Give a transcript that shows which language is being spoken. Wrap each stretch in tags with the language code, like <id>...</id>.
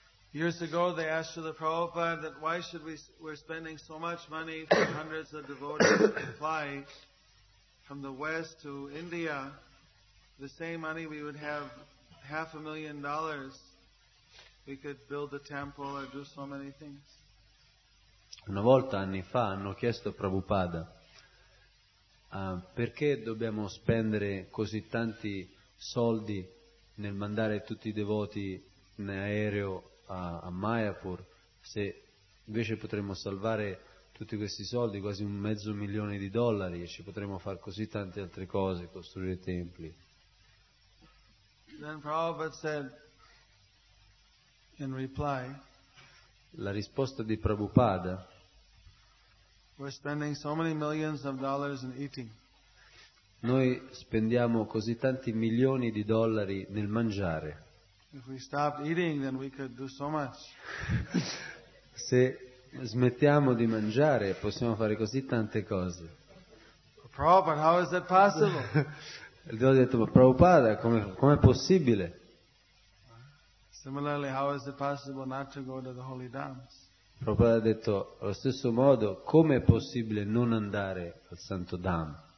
<en>Years ago they asked Srila Prabhupada that why should we're spending so much money for hundreds of devotees to fly from the West to India, the same money we would have $500,000, we could build a temple or do so many things.</en> <it>Una volta, anni fa, hanno chiesto a Prabhupada perché dobbiamo spendere così tanti soldi nel mandare tutti i devoti in aereo a Mayapur, se invece potremmo salvare tutti questi soldi, quasi un mezzo milione di dollari, e ci potremmo fare così tante altre cose, costruire templi.</it> <en>Then Prabhupada said in reply,</en> <it>la risposta di Prabhupada:</it> <en>we're spending so many millions of dollars in eating.</en> <it>Noi spendiamo così tanti milioni di dollari nel mangiare.</it> <en>If we stopped eating, then we could do so much.</en> <it>Se smettiamo di mangiare, possiamo fare così tante cose.</it> <en>Prabhupada, how is that possible?</en> <it>Il Dio ha detto: ma Prabhupada, come è possibile?</it> <en>Similarly, how is it possible not to go to the holy dams?</en> <it>Prabhupada ha detto, allo stesso modo, come è possibile non andare al Santo Dham?</it>